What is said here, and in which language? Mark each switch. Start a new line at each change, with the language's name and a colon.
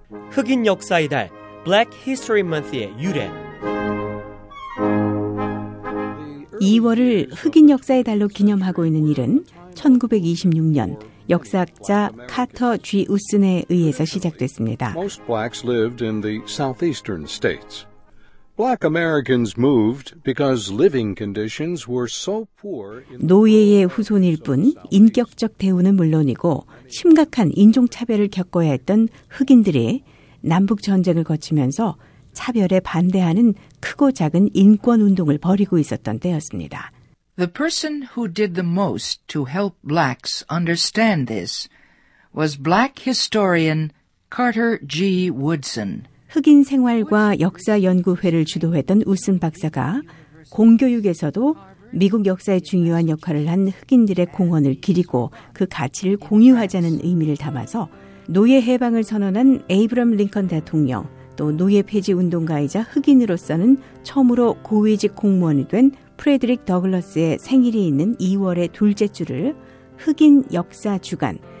Korean: 흑인 역사의 달, Black History Month의 유래. 2월을 흑인 역사의 달로 기념하고 있는 일은 1926년 역사학자 카터 G. 우슨에 의해서 시작됐습니다.
English: Most blacks lived in the southeastern states. Black Americans moved because living conditions were so poor.
Korean: 노예의 후손일 뿐 인격적 대우는 물론이고 심각한 인종차별을 겪어야 했던 흑인들이 남북전쟁을 거치면서 차별에 반대하는 크고 작은 인권운동을 벌이고 있었던 때였습니다.
English: The person who did the most to help blacks understand this was black historian Carter G. Woodson.
Korean: 흑인 생활과 역사 연구회를 주도했던 우슨 박사가 공교육에서도 미국 역사에 중요한 역할을 한 흑인들의 공헌을 기리고 그 가치를 공유하자는 의미를 담아서 노예 해방을 선언한 에이브럼 링컨 대통령, 또 노예 폐지 운동가이자 흑인으로서는 처음으로 고위직 공무원이 된 프레드릭 더글러스의 생일이 있는 2월의 둘째 주를 흑인 역사 주간,